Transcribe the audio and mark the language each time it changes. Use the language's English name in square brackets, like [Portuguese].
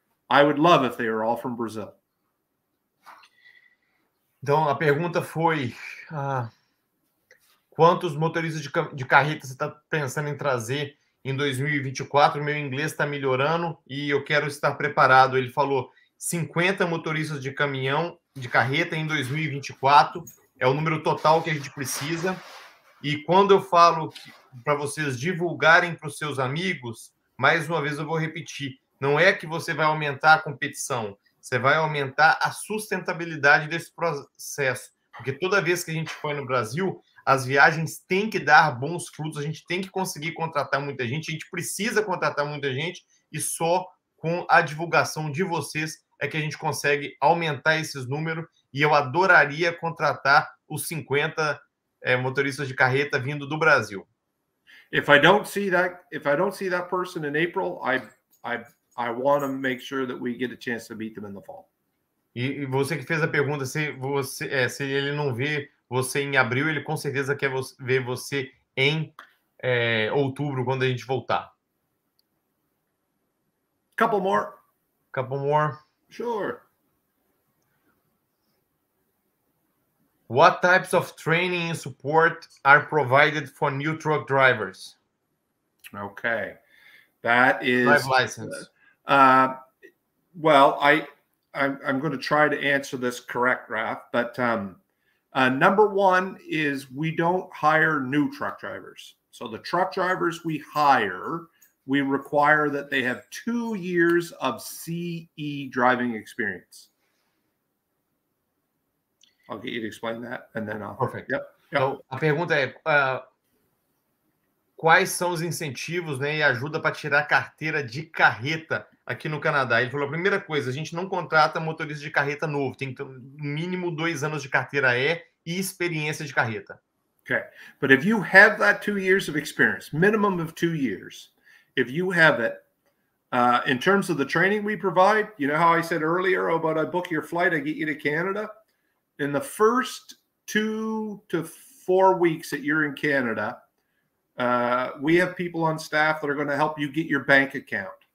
[English] I would love if they were all from Brazil. [Portuguese] Então, a pergunta foi, quantos motoristas de carreta você está pensando em trazer em 2024? Meu inglês está melhorando e eu quero estar preparado. Ele falou, 50 motoristas de caminhão de carreta em 2024 é o número total que a gente precisa. E quando eu falo para vocês divulgarem para os seus amigos, mais uma vez eu vou repetir, não é que você vai aumentar a competição, você vai aumentar a sustentabilidade desse processo. Porque toda vez que a gente foi no Brasil, as viagens têm que dar bons frutos, a gente tem que conseguir contratar muita gente, a gente precisa contratar muita gente, e só com a divulgação de vocês é que a gente consegue aumentar esses números. E eu adoraria contratar os 50 motoristas de carreta vindo do Brasil. [English] If I don't see that person in April, I want to make sure that we get a chance to meet them in the fall. [Portuguese] E você que fez a pergunta, se ele não vê você em abril, ele com certeza quer ver você em outubro, quando a gente voltar. [English] Couple more. Sure. What types of training and support are provided for new truck drivers? Okay. That is... Drive license. I'm going to try to answer this correct, Raph, but number one is we don't hire new truck drivers. So the truck drivers we hire, we require that they have 2 years of CE driving experience. I'll get you to explain that and then I'll... Perfect. Yep. Yep. [Portuguese] So, a pergunta é, quais são os incentivos, né, e ajuda para tirar carteira de carreta aqui no Canadá? Ele falou, a primeira coisa, a gente não contrata motorista de carreta novo, tem que ter no mínimo 2 anos de carteira E e experiência de carreta. [English] Okay, but if you have that 2 years of experience, minimum of 2 years, if you have it, in terms of the training we provide, you know how I said earlier about I book your flight, I get you to Canada? In the first 2 to 4 weeks that you're in Canada, we have people on staff that are going to help you get your bank account.